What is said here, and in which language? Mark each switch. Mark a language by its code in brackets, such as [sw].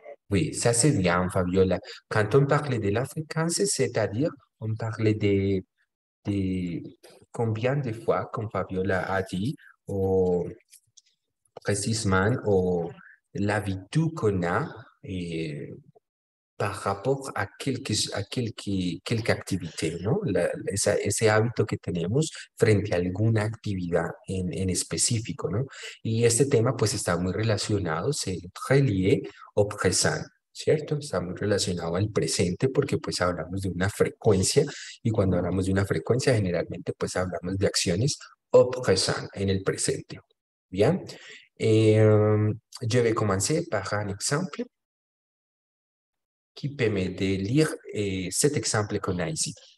[fr] Oui, ça c'est bien, Fabiola. Quand on parle de la fréquence, c'est-à-dire on parle de combien de fois, comme Fabiola a dit, ou précisément, ou l'habitude qu'on a par rapport a quelque activité, ¿no? [es] Ese hábito que tenemos frente a alguna actividad en específico, ¿no? Y este tema pues está muy relacionado, [fr] se relie au présent, [es] ¿cierto? Está muy relacionado al presente porque pues hablamos de una frecuencia y cuando hablamos de una frecuencia generalmente pues hablamos de acciones [fr] au présent, [es] en el presente, ¿bien? [fr] Je vais commencer par un exemple. Qui peut m'aider à lire cet exemple qu'on a ici?